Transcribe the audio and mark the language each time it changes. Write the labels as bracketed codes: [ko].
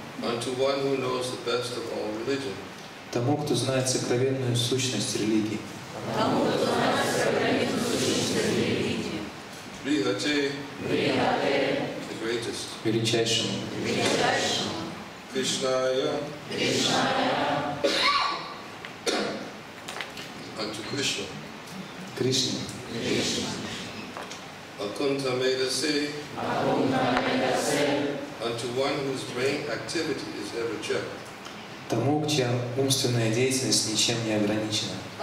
[en] Unto one who knows the best of all religion. [ru] Тому, кто знает сокровенную сущность религии. Тому, кто знает сокровенную сущность религии. [sa] Брихате. [en] The greatest. [ru] Величайшему. Величайшему. [sa] Кришная. Кришная. [en] Unto Krishna. [ru] Кришна. Кришна. [sa] Акунта медасе. Акунта медасе. [en] Unto one whose brain activity is ever checked. [ru] Тому, чья умственная деятельность ничем не ограничена.